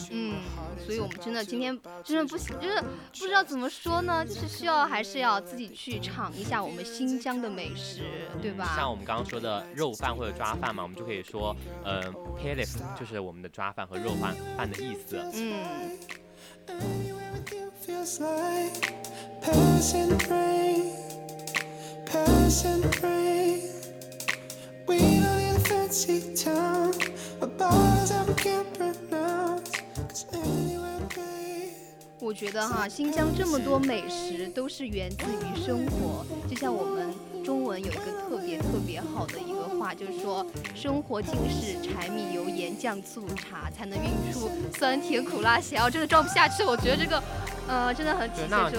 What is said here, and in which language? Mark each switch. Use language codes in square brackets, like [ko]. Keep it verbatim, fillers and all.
[zh] 嗯，所以我们真的今天真的不行，就是不知道怎么说呢，就是需要还是要自己去尝一下我们新疆的美食，对吧？像我们刚刚说的肉饭或者抓饭嘛，我们就可以说呃 ，pelif 就是我们的抓饭和肉饭饭的意思。嗯。 [en] Feels like passing rain, passing rain. We don't need a fancy town, a bars I can't pronounce. 'Cause anywhere we go. [zh] 我觉得哈，新疆这么多美食都是源自于生活，就像我们中文有一个特别特别好的一个话，就是说生活尽是柴米油盐酱醋茶，才能孕出酸甜苦辣咸。我真的装不下去，我觉得这个。呃，真的很体现出很厉害。